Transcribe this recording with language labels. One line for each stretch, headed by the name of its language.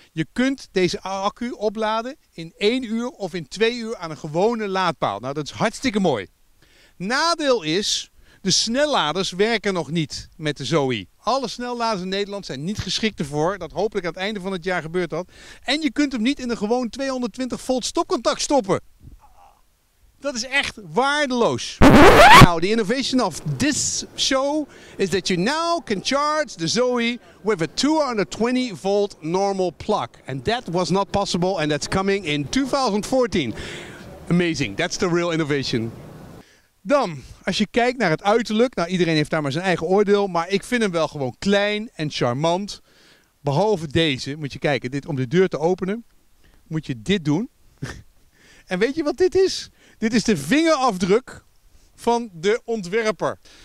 Dutch: Je kunt deze accu opladen in 1 uur of in 2 uur aan een gewone laadpaal. Nou, dat is hartstikke mooi. Nadeel is, de snelladers werken nog niet met de Zoe. Alle snelladers in Nederland zijn niet geschikt ervoor. Dat hopelijk aan het einde van het jaar gebeurt dat. En je kunt hem niet in een gewoon 220 volt stopcontact stoppen. Dat is echt waardeloos.
English: Now, the innovation of this show is that you now can charge the Zoe with a 220 volt normal plug. And that was not possible and that's coming in 2014. Amazing, that's the real innovation.
Dutch: Dan, als je kijkt naar het uiterlijk, nou iedereen heeft daar maar zijn eigen oordeel, maar ik vind hem wel gewoon klein en charmant. Behalve deze, moet je kijken, dit, om de deur te openen, moet je dit doen. En weet je wat dit is? Dit is de vingerafdruk van de ontwerper.